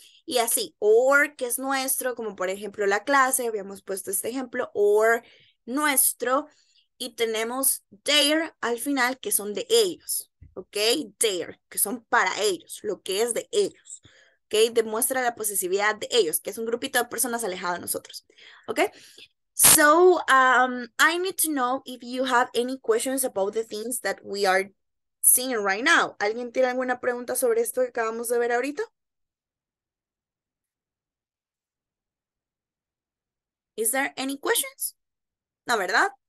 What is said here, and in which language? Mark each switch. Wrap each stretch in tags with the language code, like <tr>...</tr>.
<es>Y así, or, que es nuestro, como por ejemplo la clase, habíamos puesto este ejemplo, or, nuestro, y tenemos their al final, que son de ellos, ¿ok? Their, que son para ellos, lo que es de ellos, ¿ok? Demuestra la posesividad de ellos, que es un grupito de personas alejado de nosotros, ¿ok?</es> <en>So, I need to know if you have any questions about the things that we are seeing right now.</en> <es>¿Alguien tiene alguna pregunta sobre esto que acabamos de ver ahorita?</es> <en>Is there any questions?</en> <es>No, ¿verdad?</es>